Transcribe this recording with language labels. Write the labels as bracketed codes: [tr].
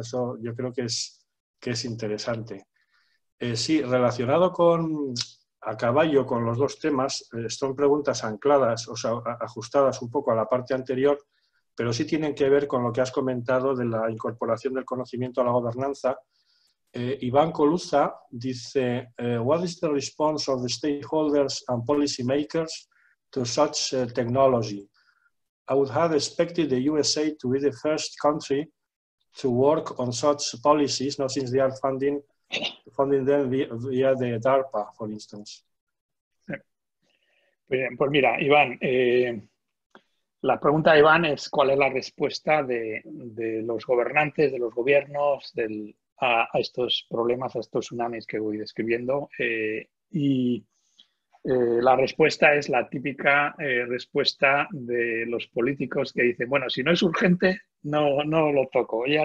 [es] Eso yo creo que es interesante. Sí, relacionado con, a caballo con los dos temas, son preguntas ancladas, o sea, ajustadas un poco a la parte anterior, pero sí tienen que ver con lo que has comentado de la incorporación del conocimiento a la gobernanza. [en] Iván Coluza [es] dice, [en] what is the response of the stakeholders and policy makers to such technology? I would have expected the USA to be the first country to work on such policies, not since they are funding them via the DARPA, for instance. [es] Bien, pues mira, Iván, la pregunta de Iván es cuál es la respuesta de los gobernantes, de los gobiernos, a estos problemas, a estos tsunamis que voy describiendo. La respuesta es la típica respuesta de los políticos que dicen, bueno, si no es urgente, no lo toco.